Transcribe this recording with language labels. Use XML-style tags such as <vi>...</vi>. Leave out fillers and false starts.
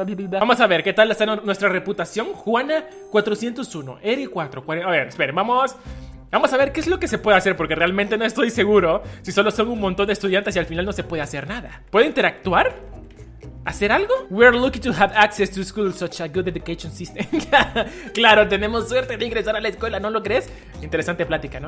<es>Vamos a ver, ¿qué tal está nuestra reputación? Juana 401. Eri 440. A ver, esperen, vamos... Vamos a ver qué es lo que se puede hacer, porque realmente no estoy seguro si solo son un montón de estudiantes y al final no se puede hacer nada. ¿Puede interactuar? ¿Hacer algo?</es> <en>We're lucky to have access to school, such a good education system.</en> <es>Claro, tenemos suerte de ingresar a la escuela, ¿no lo crees? Interesante plática, ¿no?</es>